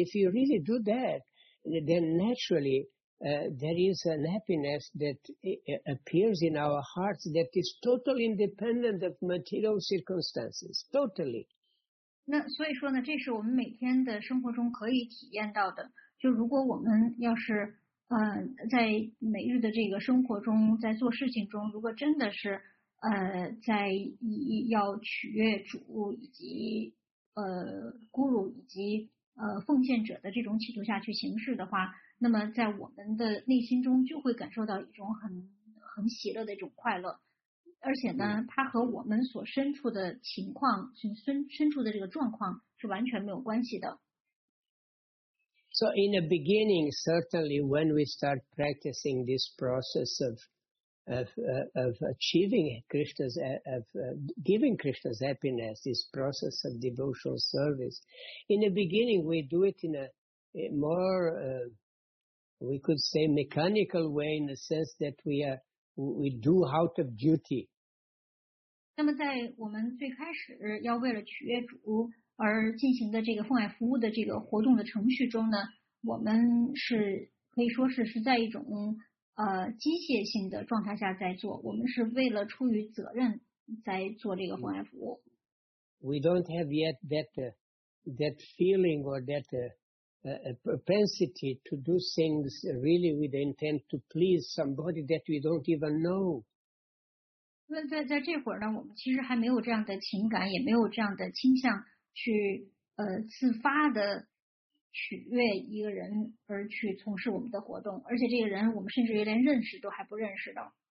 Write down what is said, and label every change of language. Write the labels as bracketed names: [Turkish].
[English] If you really do that, then naturally there is an happiness that appears in our hearts that is totally independent of material circumstances, totally. [Chinese] 那所以说呢，这是我们每天的生活中可以体验到的。就如果我们要是在每日的这个生活中，在做事情中，如果真的是在要取悦主以及guru以及奉献者的这种企图下去行事的话，那么在我们的内心中就会感受到一种很喜乐的一种快乐，而且呢，它和我们所身处的情况、身处的这个状况是完全没有关系的。 [English] So in the beginning, certainly when we start practicing this process of giving Krishna's happiness, this process of devotional service, in the beginning we do it in a more mechanical way, in the sense that we do out of duty. [Chinese] 那么在我们最开始要为了取悦主而进行的这个奉爱服务的这个活动的程序中呢，我们是可以说是在一种机械性的状态下在做，我们是为了出于责任在做这个奉爱服务。 [English] We don't have yet that feeling or that propensity to do things really with the intent to please somebody that we don't even know. [Chinese] 那在这会儿呢，我们其实还没有这样的情感，也没有这样的倾向去自发的取悦一个人而去从事我们的活动，而且这个人我们甚至于连认识都还不认识的。